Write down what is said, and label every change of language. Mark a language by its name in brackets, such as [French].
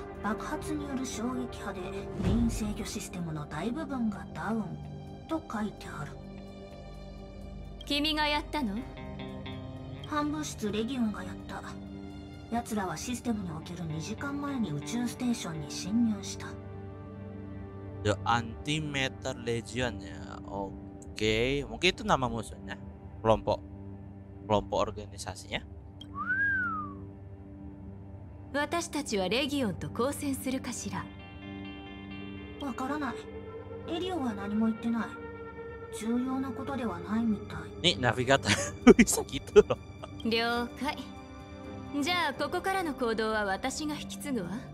[Japanese] 爆発による衝撃波でメイン制御システムの大部分がダウンと書いてある。君がやったの？反物質レギオンがやった。やつらはシステムにおける2時間前に宇宙ステーションに侵入した。 [English] The Antimatter Legion ya. Okay. [Indonesian] Mungkin itu nama musuhnya. Kelompok. Kelompok organisasinya. [Japanese] 私たちはレギオンと交戦するかしら。わからない。エリオは何も言ってない。重要なことではないみたい。ね、ナビゲーター好きと。了解。じゃあここからの行動は私が引き継ぐわ。